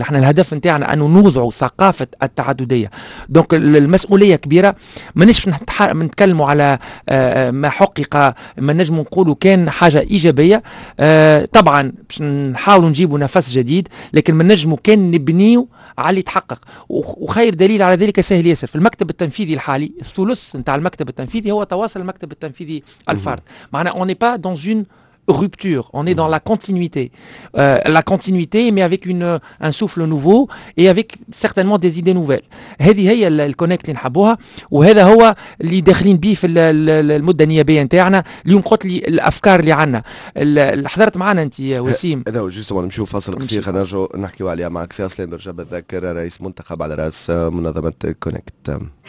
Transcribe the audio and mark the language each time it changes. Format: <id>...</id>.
<ar>احنا الهدف نتاعنا انه نوضع ثقافه التعدديه. دونك المسؤوليه كبيره، مانيش نتكلموا على ما حقق، ما نجم نقولوا كان حاجه ايجابيه. طبعا باش نحاولوا نجيبوا نفس جديد، لكن ما نجمو كان نبنيو على اللي تحقق. وخير دليل على ذلك سهل ياسر، في المكتب التنفيذي الحالي الثلث نتاع المكتب التنفيذي هو تواصل المكتب التنفيذي الفرد. معناها</ar> <fr>اوني با دون اون rupture, on est dans la continuité. La continuité, mais avec un souffle nouveau et avec certainement des idées nouvelles.</fr> <ar>هذه هي الكونيكت اللي نحبوها وهذا هو اللي داخلين بيه في المده النيابيه نتاعنا اليوم قلت لي الافكار اللي عندنا اللي حضرت معنا انت يا وسيم هذا جوستمون نمشيو فاصل قصير خلينا نرجعوا نحكيوا عليها معك سي اسلام برجع بالذاكر رئيس منتخب على راس منظمه كونيكت</ar>